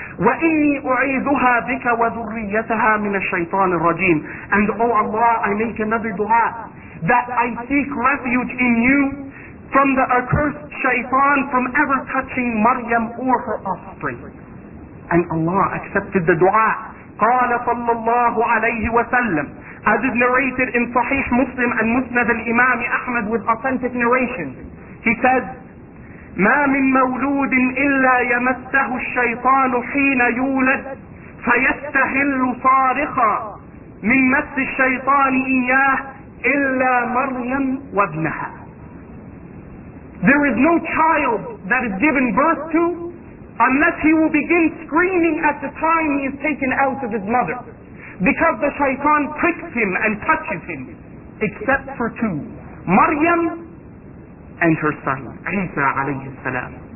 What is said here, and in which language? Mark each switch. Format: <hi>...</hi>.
<ar>وَإِنِّي أُعِيذُهَا بِكَ وَذُرِّيَّتَهَا مِنَ الشَّيْطَانِ الرَّجِيمِ.</ar> <en>And oh Allah, I make another dua that I seek refuge in you from the accursed shaitan from ever touching Maryam or her offspring. And Allah accepted the dua.</en> <ar>قال صلى الله عليه وسلم,</ar> <en>as is narrated in Sahih Muslim and Musnad al-Imam Ahmad with authentic narration, he said,</en> <ar>ما من مولود إلا يمسه الشيطان حين يولد فيستهل صارخا من مس الشيطان إياه إلا مريم وابنها.</ar> <en>There is no child that is given birth to unless he will begin screaming at the time he is taken out of his mother, because the shaitan pricks him and touches him, except for two, Maryam and her son, Isa alayhi salam.</en>